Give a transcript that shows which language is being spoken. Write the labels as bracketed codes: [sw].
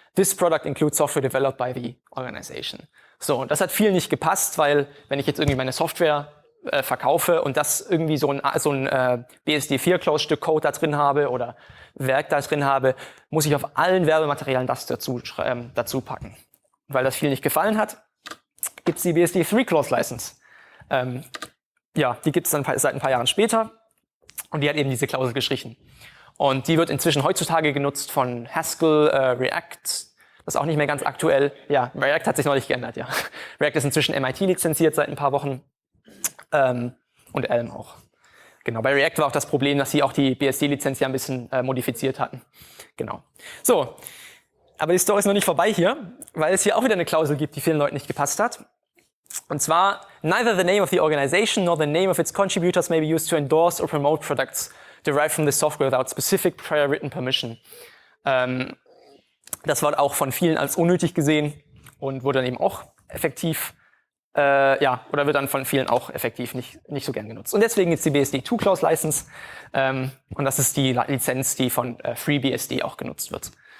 [en] This product includes software developed by the organization. [de] So, und das hat vielen nicht gepasst, weil wenn ich jetzt irgendwie meine Software verkaufe und das irgendwie so ein BSD4-Clause-Stück Code da drin habe oder Werk da drin habe, muss ich auf allen Werbematerialien das dazu packen. Weil das vielen nicht gefallen hat, gibt es die BSD3-Clause-License. Die gibt es dann seit ein paar Jahren später und die hat eben diese Klausel gestrichen. Und die wird inzwischen heutzutage genutzt von Haskell, React, das ist auch nicht mehr ganz aktuell. Ja, React hat sich neulich geändert, ja. React ist inzwischen MIT-lizenziert seit ein paar Wochen. Und Elm auch. Genau, bei React war auch das Problem, dass sie auch die BSD-Lizenz ja ein bisschen modifiziert hatten. Genau. So, aber die Story ist noch nicht vorbei hier, weil es hier auch wieder eine Klausel gibt, die vielen Leuten nicht gepasst hat. Und zwar, [en] neither the name of the organization nor the name of its contributors may be used to endorse or promote products derived from the software without specific prior written permission. [de] Das wurde auch von vielen als unnötig gesehen und wurde dann eben auch effektiv wird dann von vielen auch effektiv nicht so gern genutzt. Und deswegen gibt's die BSD2-Clause-License, und das ist die Lizenz, die von FreeBSD auch genutzt wird.